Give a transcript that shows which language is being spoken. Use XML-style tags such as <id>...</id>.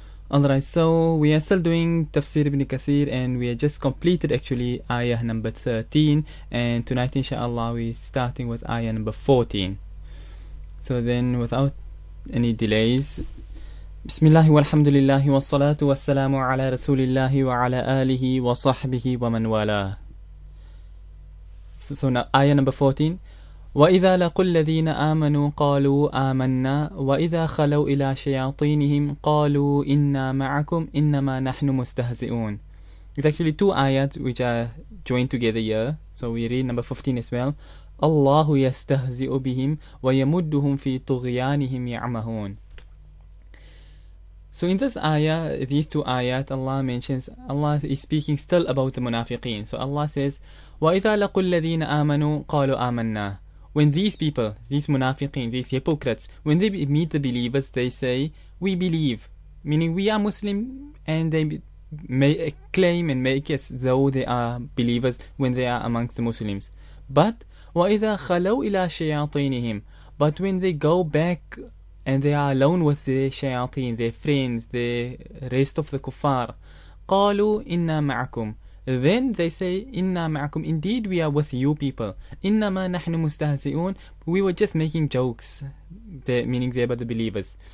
<en>Alright, so we are still doing Tafseer ibn Kathir and we have just completed actually ayah number 13, and tonight inshallah we are starting with ayah number 14. So then without any delays,</en> <ar>بسم الله والحمد لله والصلاة والسلام على رسول الله وعلى آله وصحبه ومن والاه.</ar> <en>So now آية number 14.</en> <ar>وإذا لقوا الذين آمنوا قالوا آمنا وإذا خلوا إلى شياطينهم قالوا إنا معكم إنما نحن مستهزئون.</ar> <en>It's actually two ayat which are joined together here. So we read number 15 as well.</en> <ar>الله يستهزئ بهم ويمدهم في طغيانهم يعمهون.</ar> <en>So in this ayah, these two ayat, Allah mentions, Allah is speaking still about the munafiqeen.</en> <ar>So Allah says, وَإِذَا لَقُوا الَّذِينَ آمَنُوا قَالُوا آمَنَّا.</ar> <en>When these people, these munafiqeen, these hypocrites, when they meet the believers, they say, we believe. Meaning we are Muslim, and they may claim and make as though they are believers when they are amongst the Muslims.</en> <ar>But, وَإِذَا خَلَوْا إِلَى شَيَاطِينِهِمْ.</ar> <en>But when they go back and they are alone with their shayateen, their friends, the rest of the kuffar,</en> <ar>قَالُوا إِنَّا مَعَكُمْ.</ar> <en>Then they say,</en> <ar>إِنَّا مَعَكُمْ.</ar> <en>Indeed, we are with you people.</en> <ar>إِنَّمَا نَحْنُ مُسْتَهْزِئُونَ.</ar> <en>We were just making jokes, meaning they were the believers.</en>